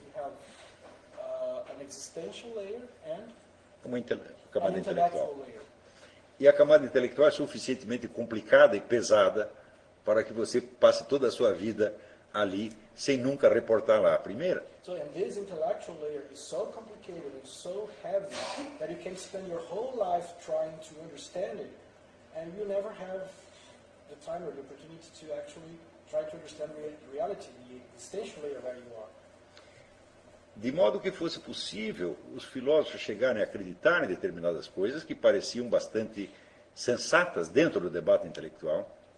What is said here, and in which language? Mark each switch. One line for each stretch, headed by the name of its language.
English: We have an existential layer and
Portuguese: camada intelectual. E a camada intelectual é suficientemente complicada e pesada para que você passe toda a sua vida ali sem nunca reportar lá a primeira.
English: So, and this intellectual layer is so complicated and so heavy that you can spend your whole life trying to understand it and you never have the time or the opportunity to actually try to understand reality, the existential layer where you are.
Portuguese: De modo que fosse possível os filósofos chegarem a acreditar em determinadas coisas que pareciam bastante sensatas dentro do debate intelectual.